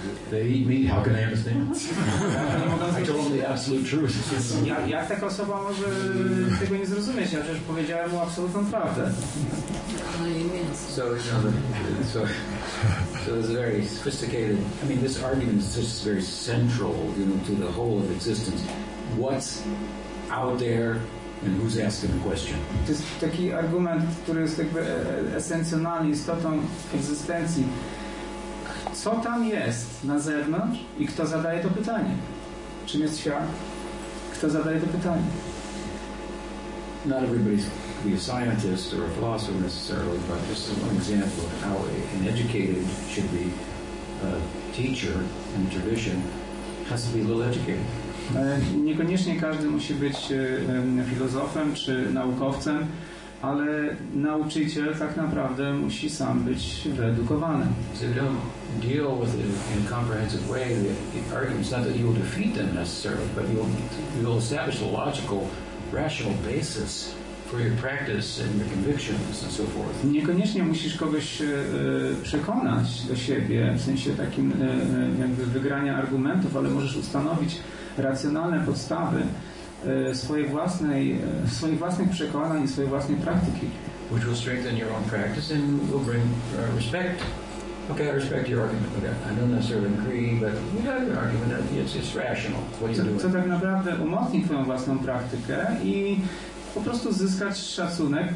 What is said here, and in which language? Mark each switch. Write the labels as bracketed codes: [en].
[en] They eat meat, how can I understand? I told the absolute truth. [pl] Jak taka osoba może tego nie zrozumieć? Ja przecież powiedziałem mu absolutną prawdę. [en] So it's very sophisticated. I mean, this argument is just very central, you know, to the whole of existence. What's out there and who's asking the question? [pl] To jest taki argument, który jest jakby esencjonalny, istotą egzystencji. Co tam jest na zewnątrz i kto zadaje to pytanie? Czym jest świat? Kto zadaje to pytanie? [en] Not everybody's be a scientist or a philosopher necessarily, but just an example of how an educated should be a teacher in tradition has to be a little educated. [pl] Niekoniecznie każdy musi być filozofem czy naukowcem, ale nauczyciel tak naprawdę musi sam być wyedukowany. [en] So you don't deal with it in a comprehensive way, the argument's not that you will defeat them necessarily, but you will establish a logical, rational basis for your practice and your convictions and so forth. [pl] Niekoniecznie musisz kogoś przekonać do siebie, w sensie takim jakby wygrania argumentów, ale możesz ustanowić racjonalne podstawy swoich własnych przekonań i swojej własnej praktyki. [en] Which will strengthen your own practice and will bring respect. Okay, I respect your argument. Okay. I don't necessarily agree, but you have an argument. It's rational. What are you doing? [pl] Co tak naprawdę umocni twoją własną praktykę i po prostu zyskać szacunek.